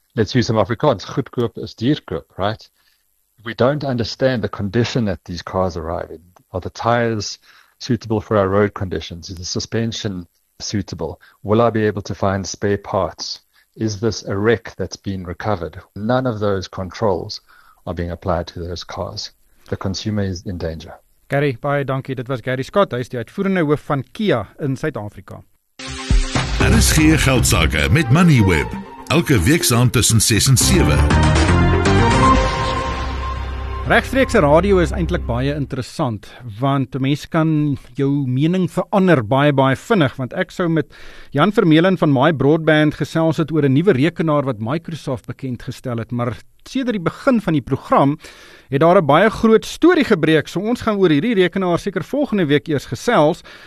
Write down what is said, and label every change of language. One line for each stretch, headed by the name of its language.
English: Let's use some Afrikaans,
Afrikaans: goedkoop is duurkoop,
English: right? We don't understand the condition that these cars arrive in. Are the tires suitable for our road conditions? Is the suspension suitable? Will I be able to find spare parts? Is this a wreck that's been recovered? None of those controls are being applied to those cars. The consumer is in danger.
Afrikaans: Gary, baie dankie. Dit was Gary Scott. Hy is die uitvoerende hoof van Kia in Suid-Afrika. Daar is geen geldsaake met Moneyweb. Elke week saam tussen 6 en 7. Regstreekse radio is eintlik baie interessant, want mense kan jou mening verander baie, baie vinnig, want ek sou met Jan Vermeulen van My Broadband gesels het oor 'n nuwe rekenaar wat Microsoft bekend gestel het, maar sedert die begin van die program het daar 'n baie groot storie gebreek, so ons gaan oor hierdie rekenaar seker volgende week eers gesels.